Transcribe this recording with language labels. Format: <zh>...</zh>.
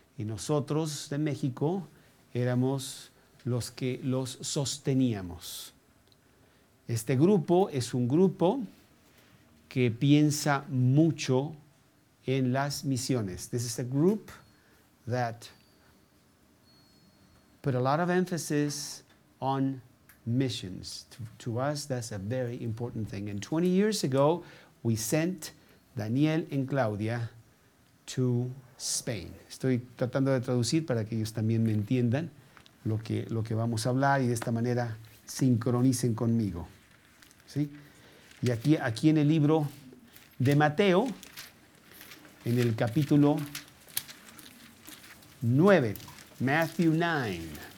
<es>Y nosotros de México éramos los que los sosteníamos. Este grupo es un grupo que piensa mucho en las misiones.</es> <en>This is a group that put a lot of emphasis on missions. To us, that's a very important thing. And 20 years ago, we sent Daniel and Claudia to Spain.</en> <es>Estoy tratando de traducir para que ellos también me entiendan lo que vamos a hablar y de esta manera sincronicen conmigo. ¿Sí? Y aquí en el libro de Mateo, en el capítulo 9, Matthew 9.</es>